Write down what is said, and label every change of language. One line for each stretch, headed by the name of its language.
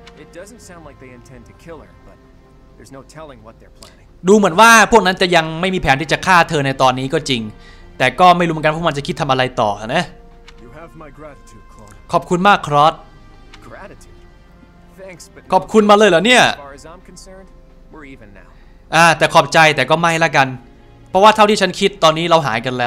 English: It doesn't sound like they intend to kill her, but there's no telling what they're planning.
Thai: ดูเหมือนว่าพวกนั้นจะยังไม่มีแผนที่จะฆ่าเธอในตอนนี้ก็จริงแต่ก็ไม่รู้เหมือนกันพวกมันจะคิดทำอะไรต่อนะ
English: You have my gratitude, Claude.
Thai: ขอบคุณมากครอส
English: Gratitude. Thanks, but
Thai: ขอบคุณมาเลยเหรอเนี่ย
English: As far as I'm concerned, we're even now.
Thai: แต่ขอบใจแต่ก็ไม่ละกันเพราะว่าเท่าที่ฉันคิดตอนนี้เราหายกันแล